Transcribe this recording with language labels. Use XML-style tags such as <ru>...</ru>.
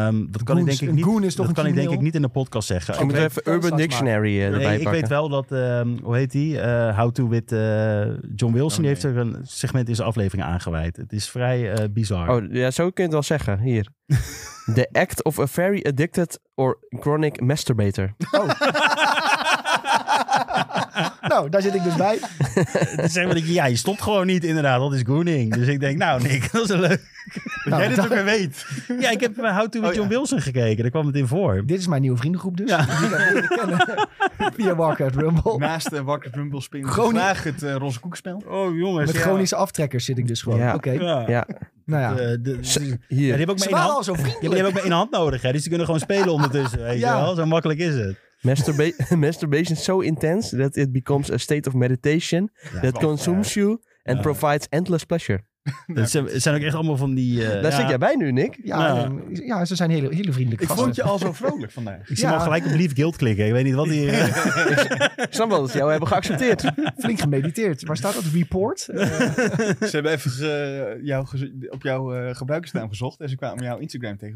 <nl>Dat kan ik denk ik niet in de podcast zeggen. Ik moet even Urban Dictionary erbij pakken. Ik weet wel dat, hoe heet die? How to with John Wilson. Oh, nee. Die heeft er een segment in zijn aflevering aangeweid. Het is vrij bizar. Oh, ja, zo kun je het wel zeggen, hier.</nl> <en>The act of a very addicted or chronic masturbator.</en> <nl>Oh. Nou, daar zit ik dus bij. je stopt gewoon niet inderdaad, dat is Gooning. Dus ik denk, nou Nick, dat is een leuk. Dat jij dit ook weer weet. Ja, ik heb How to with John Wilson gekeken, daar kwam het in voor. Dit is mijn nieuwe vriendengroep dus. Ja. Via Warcraft Rumble. Naast de Warcraft Rumble spin graag het roze koekspel. Oh jongens, met chronische aftrekkers zit ik dus gewoon. Ja. Oké. Okay. Ja. Nou ja. Die heb ik maar één hand nodig, hè. Dus die kunnen gewoon spelen ondertussen. Weet je wel, zo makkelijk is het.</nl> <en>Masturbation is so intense that it becomes a state of meditation that consumes you and provides endless pleasure.</en> <nl>Het zijn ook echt allemaal van die... Daar zit jij bij nu, Nick. Ja, ze zijn hele, hele vriendelijke gasten. Ik vond je al zo vrolijk vandaag. Ik zie hem al gelijk op Leave Guild klikken. Ik weet niet wat die... Ik snap wel dat ze jou hebben geaccepteerd. Flink gemediteerd. Waar staat dat? Report? Ze hebben even op jouw gebruikersnaam gezocht en ze kwamen jouw Instagram tegen.</nl>